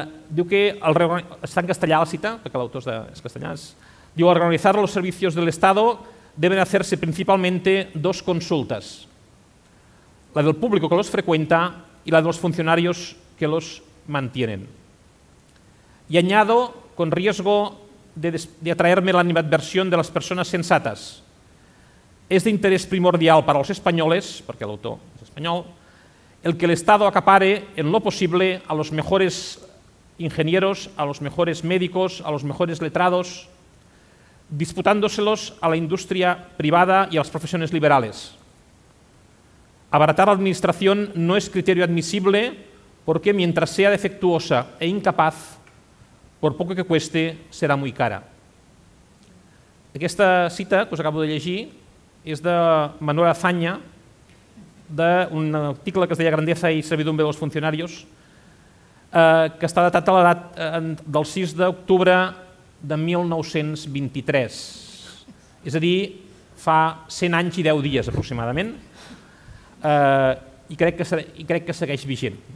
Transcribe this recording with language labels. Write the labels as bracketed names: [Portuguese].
[Catalan] Diu que està en castellà la cita, perquè l'autor és castellà. [Spanish] Diu, organizar los servicios del Estado deben hacerse principalmente dos consultas. La del público que los frecuenta y la de los funcionarios que los mantienen. Y añado, con riesgo de atraerme la animadversión de las personas sensatas, es de interés primordial para los españoles, porque el autor es español, el que el Estado acapare en lo posible a los mejores ingenieros, a los mejores médicos, a los mejores letrados, disputándoselos a la industria privada y a las profesiones liberales. Abaratar la administración no es criterio admisible porque mientras sea defectuosa e incapaz, por poco que cueste, será muy cara. [Catalan] Aquesta cita que us acabo de llegir és de Manuel Azaña, d'un article que es deia Grandeza i servidumbre dels funcionaris, que està datat a l'edat del 6 d'octubre de 1923, és a dir, fa 100 anys i 10 dies aproximadament, i crec que segueix vigent.